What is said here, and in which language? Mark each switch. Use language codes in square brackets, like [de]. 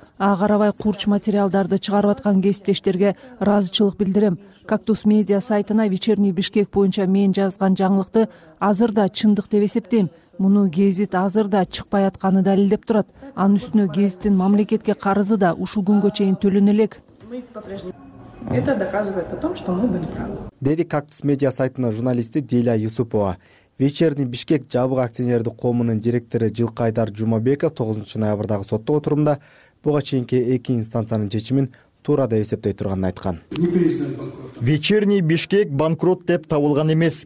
[ky] Ага карабай курч материалдарды чыгарып аткан кесиптештерге ыраазычылык билдирем. Кактус медиа сайтына Вечерний Бишкек боюнча мен жазган жаңылыкты азырда чындык деп эсептейм. Муну гезит азырда чыкпай атканы далилдеп турат. Анын үстүнө гезиттин мамлекетке карызы да ушул күнгө чейин төлөнө элек. [ru] Это доказывает о том, что мы были правы. [ky] Деди Кактус медиа сайтына журналисти Диля Юсупова. Вечерний Бишкек жабык акционердик коомунун директору Жылкайдар Жумабеков 9 ноябрдагы соттук отурумда буга чейинки эки инстанциянын чечимин туура деп эсептей турганын айткан. Вечерний Бишкек банкрот деп табылган эмес.